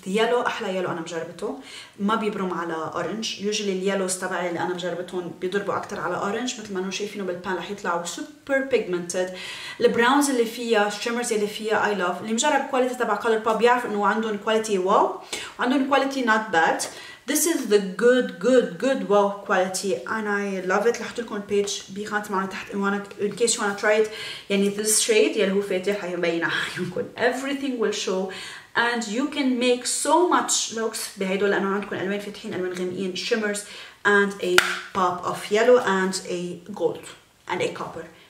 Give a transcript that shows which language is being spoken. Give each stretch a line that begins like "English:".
Arabic: يلو احلى يلو انا مجربته، ما بيبرم على اورنج. يوجوالي اليلوز تبعي اللي انا مجربتهم بيضربوا اكثر على اورنج، مثل ما انتم شايفينه بالبان رح يطلعوا سوبر بيجمنتد. البراونز اللي فيها، الشيمرز اللي فيها اي لاف. اللي مجرب كواليتي تبع كولر باب بيعرف انه عندهم كواليتي واو، وعندهم كواليتي نوت باد.
English: This is the good, good, good, wow quality, and I love it.
Arabic: لحط لكم البيج بيخانت معنا تحت
English: in case you wanna try it.
Arabic: يعني
English: this shade
Arabic: يلي هو فاتح هيبين عيونكم.
English: Everything will show, and you can make so much looks
Arabic: بهيدول لأنه عندكم ألوان فاتحين، ألوان غامقين،
English: shimmers and a pop of yellow and a gold and a copper.